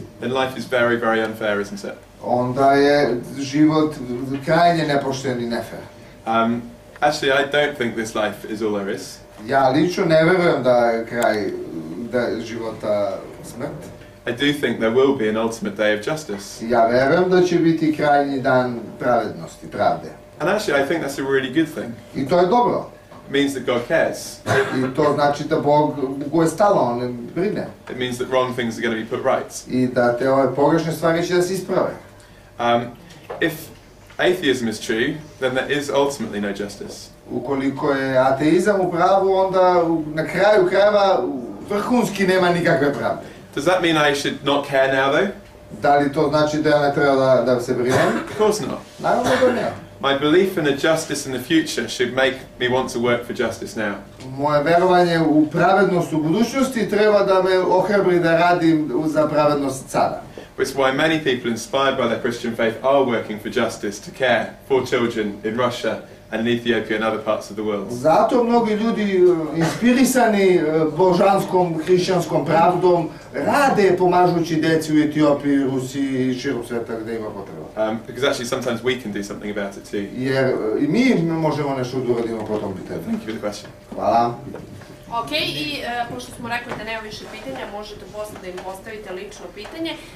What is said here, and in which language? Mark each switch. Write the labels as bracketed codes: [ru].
[en] then life is very, very unfair, isn't it? [sr] Onda je život krajnje nepošten i nefair. [en] Actually, I don't think this life is all there is. [sr] Ja lično ne verujem da je kraj da života smrt. [en] I do think there will be an ultimate day of justice. [sr] Ja verujem da će biti krajnji dan pravednosti, pravde. [en] And actually, I think that's a really good thing. [sr] I to je dobro. [en] It means that God cares. [sr] I to znači da Bog go je stalo, on brine. [en] It means that wrong things are going to be put right. [sr] I da te ove pogrešne stvari će da se isprave. [en] If atheism is true, then there is ultimately no justice. [sr] Ukoliko je ateizam u pravu, onda na kraju krajeva vrhunski nema nikakve pravde. [en] Does that mean I should not care now, though? [sr] Da li to znači da ja ne treba da se brinem? [en] Of course not. [sr] Naravno da ne. [en] My belief in a justice in the future should make me want to work for justice now. [sr] Moje vjerovanje u pravednost u budućnosti treba da me ohrabri da radim za pravednost sada. [en] It's why many people inspired by their Christian faith are working for justice to care for children in Russia and in Ethiopia and other parts of the world. [sr] Zato mnogi ljudi inspirisani božanskom hrišćanskom pravdom rade pomažući deci u Etiopiji, Rusiji i širom sveta gdje ima potreba. [en] Because actually sometimes we can do something about it too. [sr] Jer i mi možemo nešto da uradimo po tom pitanju. [en] Thank you for the question. [sr] Hvala. Ok, i pošto smo rekli da nema više pitanja, možete posle da im postavite lično pitanje.